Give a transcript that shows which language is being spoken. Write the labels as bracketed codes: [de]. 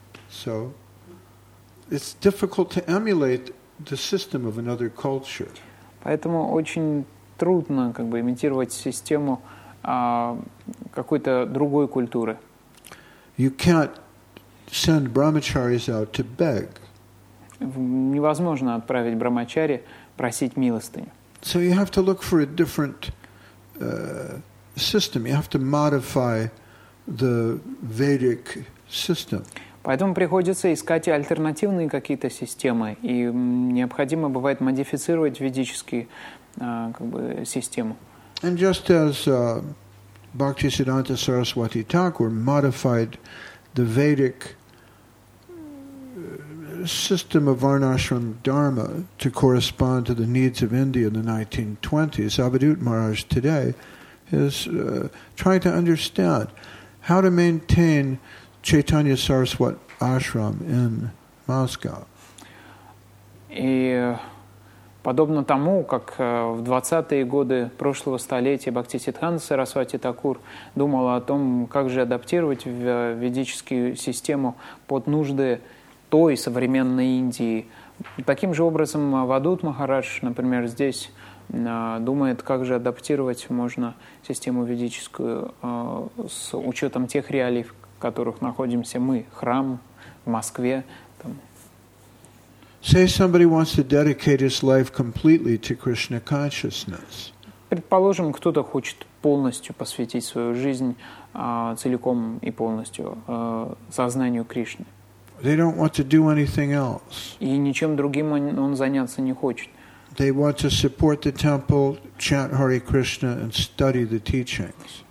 [en] So, it's difficult to emulate the system of another culture. [ru] Поэтому очень трудно как бы имитировать систему какой-то другой культуры. [en] You can't send brahmacharis out to beg. [ru] Невозможно отправить брахмачари просить милостыню. [en] So you have to look for a different system. You have to modify the Vedic system. [ru] Поэтому приходится искать альтернативные какие-то системы, и необходимо бывает модифицировать ведические как бы системы. [en] And just as Bhaktisiddhanta Saraswati Thakur modified the Vedic system of Varnashram Dharma to correspond to the needs of India in the 1920s, Avadhut Maharaj today is trying to understand how to maintain Chaitanya Saraswat Ashram in Moscow. [ru] И подобно тому, как в 20-е годы прошлого столетия Бхактисиддханта Сарасвати Такур думала о том, как же адаптировать ведическую систему под нужды той современной Индии. Таким же образом Авадут Махарадж, например, здесь думает, как же адаптировать можно систему ведическую с учетом тех реалий, в которых находимся мы, храм в Москве. [en] Say somebody wants to dedicate his life completely to Krishna consciousness. [ru] Предположим, кто-то хочет полностью посвятить свою жизнь целиком и полностью сознанию Кришны. [en] They don't want to do anything else. [ru] И ничем другим он заняться не хочет. [en] They want to support the temple, chant Hare Krishna, and study the teachings.